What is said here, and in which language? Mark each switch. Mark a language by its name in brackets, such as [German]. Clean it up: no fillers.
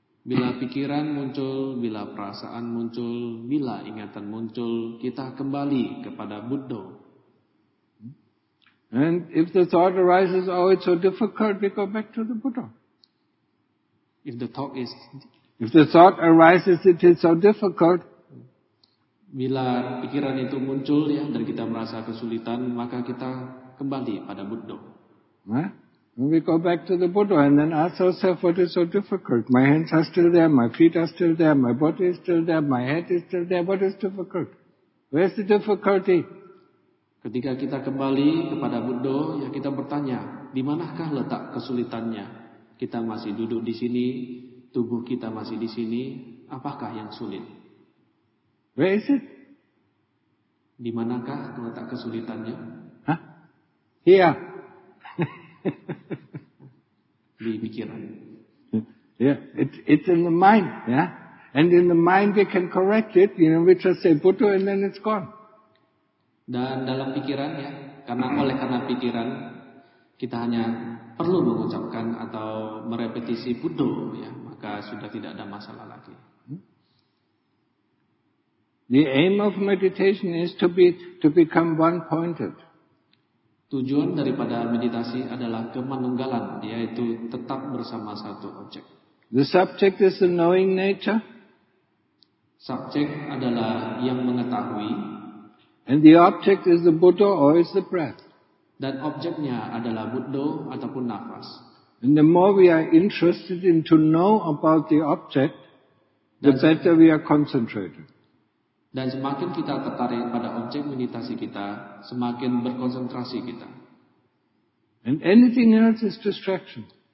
[Indonesian] Bila pikiran muncul, bila perasaan muncul, bila ingatan muncul, kita kembali kepada Buddha. [English] And if the thought arises, oh, it's so difficult, we go back to the Buddha. If the thought arises, it is so difficult. [Indonesian] Bila pikiran itu muncul ya dan kita merasa kesulitan, maka kita kembali pada Buddha. [English] We go back to the Buddha and then ask ourselves what is so difficult. My hands are still there, my feet are still there, my body is still there, my head is still there. What is difficult? Where's the difficulty? [Indonesian] Ketika kita kembali kepada Buddha, ya kita bertanya, di manakah letak kesulitannya? Kita masih duduk di sini, tubuh kita masih di sini, apakah yang sulit? [English] Where is it? [Indonesian] Di manakah letak kesulitannya? [English] Hah? Here. [Indonesian] Di pikiran. [English] Yeah, it's in the mind, yeah. And in the mind we can correct it, you know, we just say Buddha and then it's gone. [Indonesian] Dan dalam pikiran ya, karena pikiran kita hanya perlu mengucapkan atau merepetisi Buddha ya, maka sudah tidak ada masalah lagi. [English] The aim of meditation is to become one-pointed. [Indonesian] Tujuan daripada meditasi adalah kemanunggalan, yaitu tetap bersama satu objek. [English] The subject is the knowing nature. [Indonesian] Subject adalah yang mengetahui. [English] And the object is the Buddha or is the breath. [Indonesian] Dan objeknya adalah Buddha ataupun nafas. [English] And the more we are interested in to know about the object, the better we are concentrated. [Indonesian] Dan semakin kita tertarik pada objek meditasi kita, semakin berkonsentrasi kita. [English] And anything else is distraction.